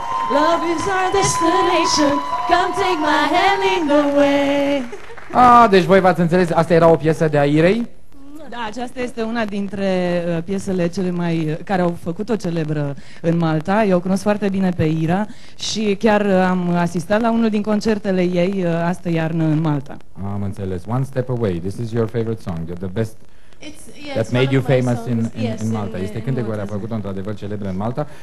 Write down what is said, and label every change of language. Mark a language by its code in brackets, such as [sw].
[en] Love is our destination, come take my hand in the way. [ro] Deci voi v-ați înțeles, asta era o piesă de a Irei? Da, aceasta este una dintre piesele cele mai, care au făcut-o celebră în Malta. Eu o cunosc foarte bine pe Ira și chiar am asistat la unul din concertele ei astă iarnă în Malta. Am înțeles. [en] One Step Away, this is your favorite song, you're the best. It's, that made you famous in Malta. [ro] Este cântecul care a făcut-o într-adevăr celebră în Malta.